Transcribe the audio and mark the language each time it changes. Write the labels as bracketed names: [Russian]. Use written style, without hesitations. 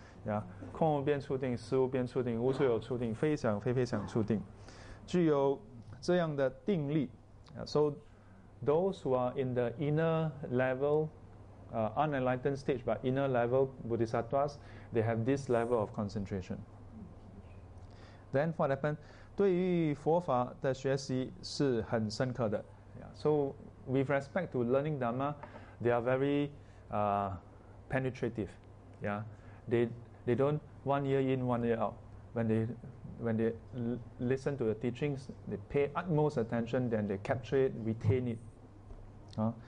[Chinese] Yeah, 空无边处定, 事无边处定, 无处有处定, 非想, 非非想处定, 具有这样的定力. [English] Yeah, so those who are in the inner level, unenlightened stage, but inner level bodhisattvas, they have this level of concentration. Then what happened? [Chinese] 对于佛法的学习是很深刻的. [English] Yeah, so with respect to learning Dhamma, they are very penetrative. Yeah, they don't 1 year in, 1 year out. When they listen to the teachings, they pay utmost attention, then they capture it, retain it.